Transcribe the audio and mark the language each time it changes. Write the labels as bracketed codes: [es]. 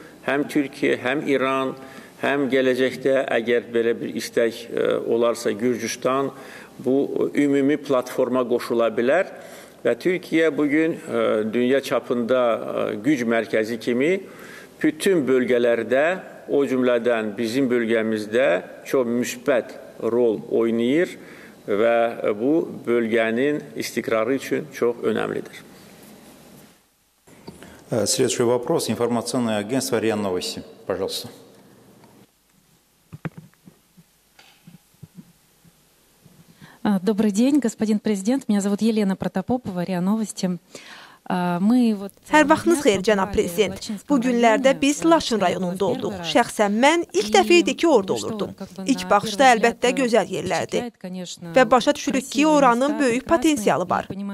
[az] Həm Türkiyə, həm İran, həm gələcəkdə, əgər belə bir istək olarsa Gürcüstan, bu ümumi platforma qoşula bilər və Türkiyə bugün dünya çapında güc mərkəzi kimi bütün bölgələrdə, o cümlədən bizim bölgəmizdə çox müsbət rol oynayır və bu bölgənin istiqrarı üçün çox önəmlidir. [ru] Следующий вопрос. Информационное агентство РИА Новости. Пожалуйста. Добрый день, господин президент. Меня зовут Елена Протопопова, РИА Новости. [az] Hər vaxtınız xeyir, cənab prezident. Bu günlərdə biz Laçın rayonunda olduq. Şəxsən mən ilk dəfə idi ki, orada olurdum. İlk baxışda əlbəttə gözəl yerlərdi. Və başa düşürük ki, oranın böyük potensialı var.